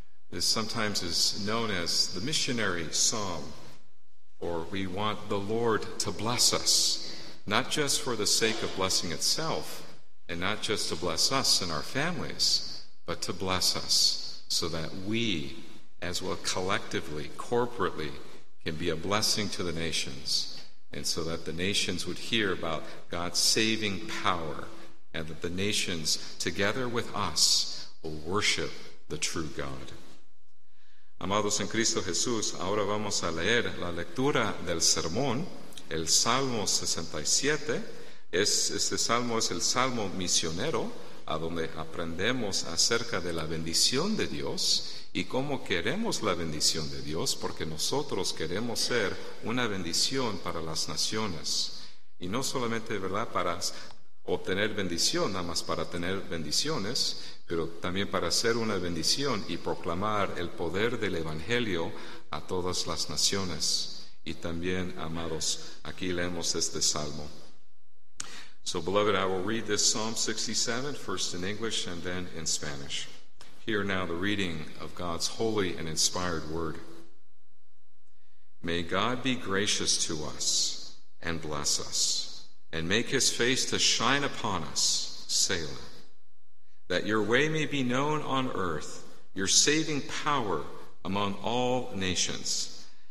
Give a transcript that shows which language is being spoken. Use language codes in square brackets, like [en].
[en] This sometimes is known as the missionary psalm, or we want the Lord to bless us, not just for the sake of blessing itself, and not just to bless us and our families, but to bless us so that we, as well collectively, corporately, can be a blessing to the nations, and so that the nations would hear about God's saving power, and that the nations, together with us, will worship the true God. [es] Amados en Cristo Jesús, ahora vamos a leer la lectura del sermón, el Salmo 67. Este salmo es el salmo misionero, a donde aprendemos acerca de la bendición de Dios y cómo queremos la bendición de Dios, porque nosotros queremos ser una bendición para las naciones. Y no solamente, ¿verdad?, para obtener bendición, nada más para tener bendiciones, pero también para ser una bendición y proclamar el poder del Evangelio a todas las naciones. Y también, amados, aquí leemos este salmo. [en] So, beloved, I will read this Psalm 67, first in English and then in Spanish. Hear now the reading of God's holy and inspired word. May God be gracious to us and bless us, and make his face to shine upon us, Selah, that your way may be known on earth, your saving power among all nations.